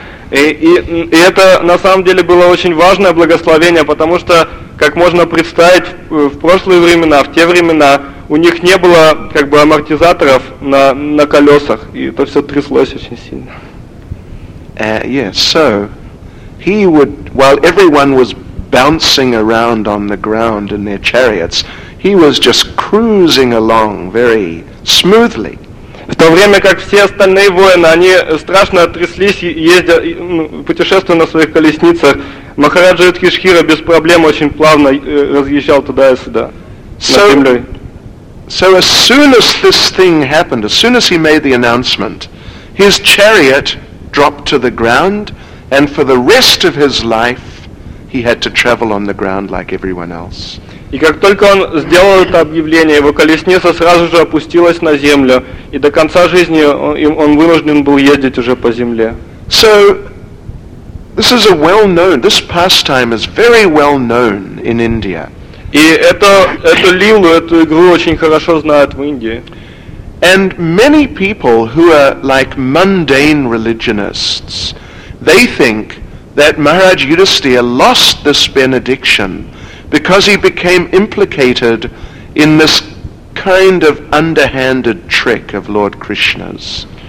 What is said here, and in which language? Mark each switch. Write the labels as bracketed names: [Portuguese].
[Russian] И это на самом деле было очень важное благословение, потому что, как можно представить, в прошлые времена, в те времена, у них не было как бы амортизаторов на колесах, и это все тряслось очень сильно. [English] So he would, while everyone was bouncing around on the ground in their chariots, he was just cruising along very smoothly. [Russian] В то время как все остальные воины, они страшно тряслись, ездя, путешествуя на своих колесницах, Махараджа Юдхиштхира без проблем очень плавно разъезжал туда и сюда, над землей. [English] So as soon as this thing happened, as soon as he made the announcement, his chariot dropped to the ground, and for the rest of his life, he had to travel on the ground like everyone else. [Russian] И как только он сделал это объявление, его колесница сразу же опустилась на землю, и до конца жизни он вынужден был ездить уже по земле. [English] So, this is a well-known, this pastime is very well-known in India. [Russian] И эту лилу, эту игру очень хорошо знают в Индии. [English] And many people who are like mundane religionists, they think that Maharaj Yudhisthira lost this benediction because he became implicated in this kind of underhanded trick of Lord Krishna's.